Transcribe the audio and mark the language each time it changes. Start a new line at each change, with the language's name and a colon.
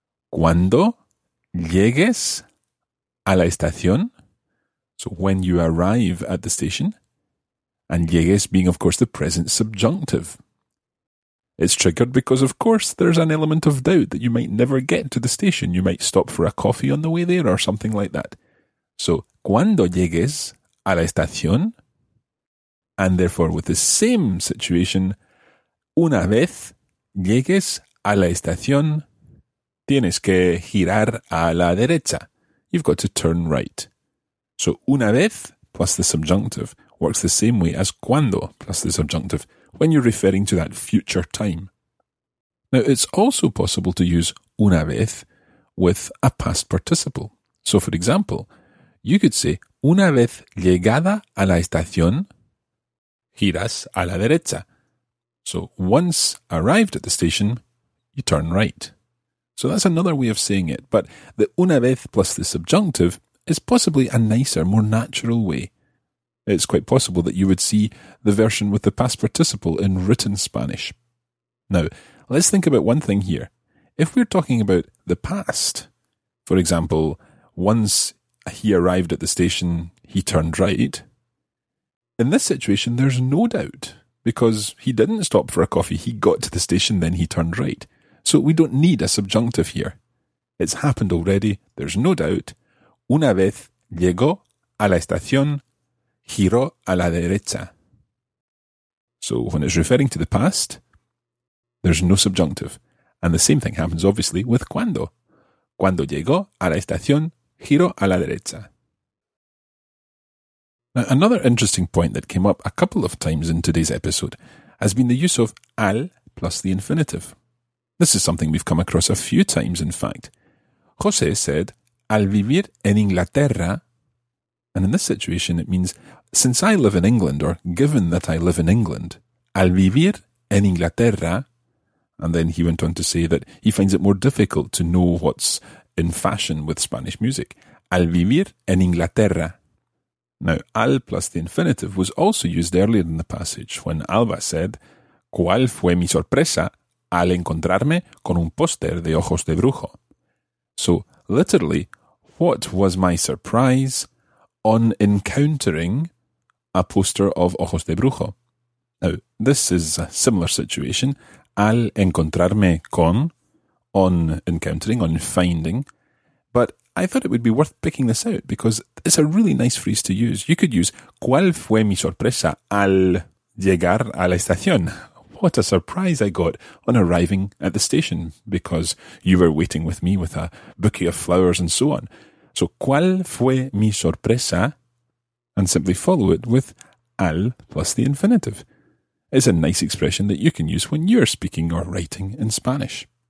Spanish: Cuando llegues a la estación,
English: so when you arrive at the station, and llegues being, of course, the present subjunctive. It's triggered because, of course, there's an element of doubt that you might never get to the station. You might stop for a coffee on the way there or something like that.
Spanish: So, cuando llegues a la estación,
English: and therefore with the same situation,
Spanish: una vez llegues a la estación, tienes que girar a la derecha.
English: You've got to turn right. So, una vez plus the subjunctive works the same way as cuando plus the subjunctive, when you're referring to that future time. Now, it's also possible to use una vez with a past participle. So, for example, you could say,
Spanish: una vez llegada a la estación, giras a la derecha.
English: So, once arrived at the station, you turn right. So, that's another way of saying it. But the una vez plus the subjunctive is possibly a nicer, more natural way. It's quite possible that you would see the version with the past participle in written Spanish. Now, let's think about one thing here. If we're talking about the past, for example, once he arrived at the station, he turned right. In this situation, there's no doubt because he didn't stop for a coffee. He got to the station, then he turned right. So we don't need a subjunctive here. It's happened already. There's no doubt.
Spanish: Una vez llegó a la estación, giró a la derecha.
English: So when it's referring to the past, there's no subjunctive. And the same thing happens, obviously, with cuando.
Spanish: Cuando llegó a la estación, giró a la derecha.
English: Now, another interesting point that came up a couple of times in today's episode has been the use of al plus the infinitive. This is something we've come across a few times, in fact. José said,
Spanish: al vivir en Inglaterra,
English: and in this situation it means, since I live in England, or given that I live in England, al vivir en Inglaterra, and then he went on to say that he finds it more difficult to know what's in fashion with Spanish music.
Spanish: Al vivir en Inglaterra.
English: Now, al plus the infinitive was also used earlier in the passage when Alba said,
Spanish: ¿cuál fue mi sorpresa al encontrarme con un póster de ojos de brujo?
English: So, literally, what was my surprise on encountering a poster of ojos de brujo? Now, this is a similar situation.
Spanish: Al encontrarme con,
English: on encountering, on finding. But I thought it would be worth picking this out because it's a really nice phrase to use. You could use,
Spanish: ¿cuál fue mi sorpresa al llegar a la estación?
English: What a surprise I got on arriving at the station because you were waiting with me with a bouquet of flowers and so on. So,
Spanish: ¿cuál fue mi sorpresa?
English: And simply follow it with al plus the infinitive. It's a nice expression that you can use when you're speaking or writing in Spanish.